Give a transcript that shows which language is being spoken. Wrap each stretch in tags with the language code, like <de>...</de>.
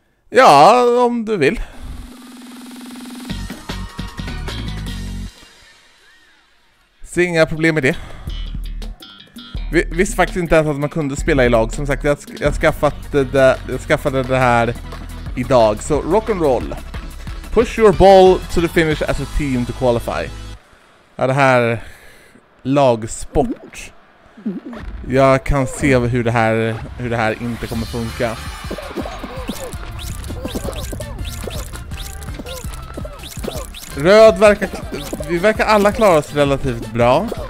<sv>Ja, om du vill. Ser inga problem med det. Visst faktiskt inte ens att man kunde spela i lag. Som sagt, jag skaffade det här idag. Så</sv> <en>rock and roll. Push your ball to the finish as a team to qualify.</en> <sv>Är det här lagsport? Jag kan se hur det här inte kommer funka. Röd verkar... Vi verkar alla klara oss relativt bra.</sv>